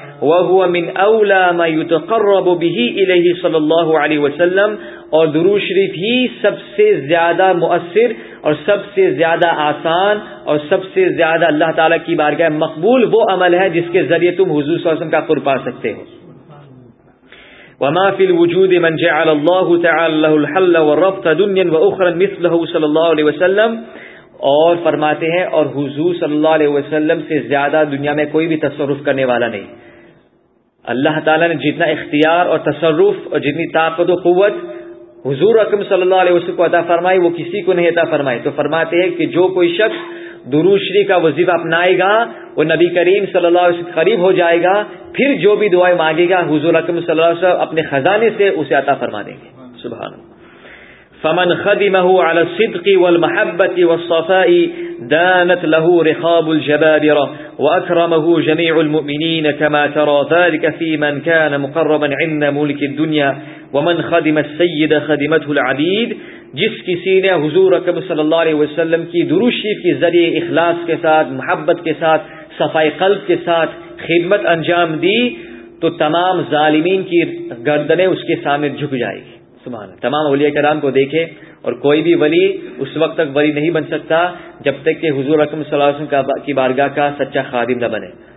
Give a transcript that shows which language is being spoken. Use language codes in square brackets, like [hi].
[ar] وَهُوَ مِنْ أَوْلَى مَا يُتَقَرَّبُ بِهِ إِلَيْهِ صَلَى اللَّهُ عَلَيْهِ وَسَلَّمَ. [ur] اور درود شریف ہی سب سے زیادہ مؤثر اور سب سے زیادہ آسان اور سب سے زیادہ اللہ تعالیٰ کی بارگاہ مقبول وہ عمل ہے جس کے ذریعے تم حضور صلی اللہ علیہ وسلم کا قرب پا سکتے ہو. [ar] وما في الوجود من جعل الله تعالى له الحل والربط دنيا واخرى مثله صلى الله عليه وسلم. [ur] اور فرماتے ہیں اور حضور صلی اللہ علیہ وسلم سے زیادہ دنیا میں کوئی بھی تصرف کرنے والا نہیں. اللہ تعالی نے جتنا اختیار اور تصرف اور جتنی طاقت و قوت حضور اکرم صلی اللہ علیہ وسلم کو عطا فرمائی وہ کسی کو نہیں عطا فرمائی. تو فرماتے ہیں کہ جو کوئی شخص درود شریف کا وظیفہ اپنائے گا وہ نبی کریم صلی اللہ علیہ وسلم قریب ہو جائے گا, پھر جو بھی دعائیں مانگے گا حضور اکرم صلی اللہ علیہ وسلم اپنے خزانے سے اسے عطا فرما دیں گے. [ar] سبحان فمن خدمه على الصدق والمحبة والصفاء دانت له رخاب الجبابرة واكرمه جميع المؤمنين كما ترى ذلك في من كان مقربا عند ملك الدنيا ومن خدم السيد خدمته العبيد. [ur] جس کسی نے حضور اکرم صلی اللہ علیہ وسلم کی درود شریف کے ذریعے اخلاص کے ساتھ, محبت کے ساتھ, صفائی قلب کے ساتھ خدمت انجام دی تو تمام ظالمین کی گردنیں اس کے سامنے جھک جائے گی. سبحان اللہ. تمام اولیاء کرام کو دیکھیں اور کوئی بھی ولی اس وقت تک ولی نہیں بن سکتا جب تک کہ حضور اکرم صلی اللہ علیہ وسلم کی بارگاہ کا سچا خادم نہ بنے.